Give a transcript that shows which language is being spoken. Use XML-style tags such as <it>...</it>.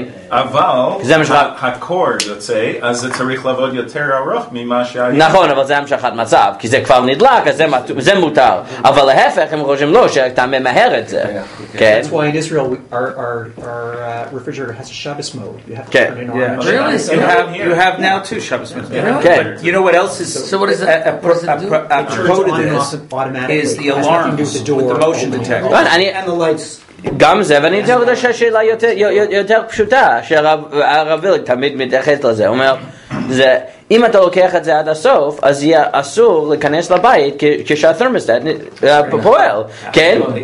<he>אבל הקורד יוצא, אז זה צריך לעבוד יותר ארוך ממה שהיה. נכון, אבל זה המשכת מצב, כי זה כבר נדלק, אז זה מותר. אבל להפך, הם חושבים לא, שאתה ממהר.</he> <en>That's why in Israel our refrigerator has a Shabbos mode. You have to turn it on. Really? You have now two Shabbos modes. Okay. You know what else is? So what is it? A pro to this is the alarm with the motion detector and the lights.</en> <he>גם זה, ואני אתן לך שאלה יותר פשוטה, שהרב וילג תמיד מתייחס לזה, הוא אומר, אם אתה לוקח את זה עד הסוף, אז יהיה אסור להיכנס לבית כשהתרמוסטט פועל, כן?</he>